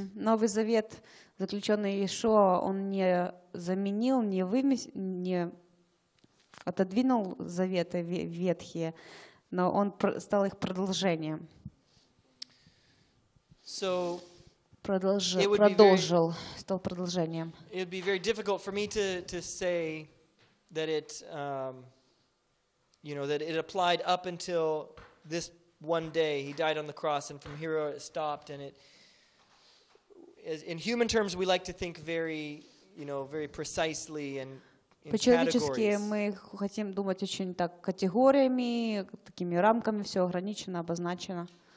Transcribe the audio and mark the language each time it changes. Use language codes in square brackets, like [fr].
[ru] Новый Завет, заключенный Иешуа, он не заменил, не отодвинул заветы ветхие, но он стал их продолжением. [en] So [ru] продолжил, стал продолжением. [en] It would be very difficult for me to say that it, you know, that it applied up until this. One day he died on the cross, and from here it stopped. And it, as in human terms, we like to think very, you know, very precisely and in categories. [ru] Мы хотим думать очень так категориями, такими рамками, все ограничено, обозначено.